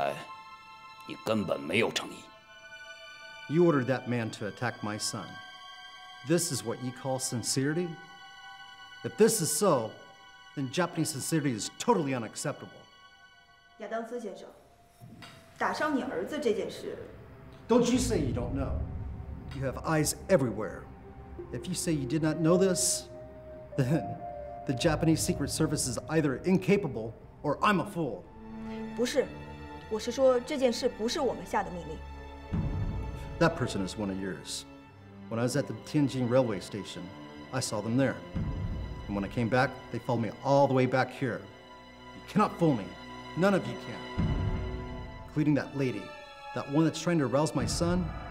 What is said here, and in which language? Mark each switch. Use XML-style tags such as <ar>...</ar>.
<zh>亚当斯先生，你跟我们已经约好了，今天晚上在菜市口交易。可是我们在那等了你很久，你没有来，看来你根本没有诚意。</zh> <en>You ordered that man to attack my son. This is what you call sincerity? If this is so, then Japanese sincerity is totally unacceptable.</en> <zh>亚当斯先生，打伤你儿子这件事。</zh> <en>Don't you say you don't know? You have eyes everywhere. If you say you did not know this, then the Japanese Secret Service is either incapable or I'm a fool.</en> <zh>不是，我是说这件事不是我们下的命令。</zh> <en>That person is one of yours. When I was at the Tianjin railway station, I saw them there. And when I came back, they followed me all the way back here. You cannot fool me. None of you can. Including that lady, that one that's trying to arouse my son.</en>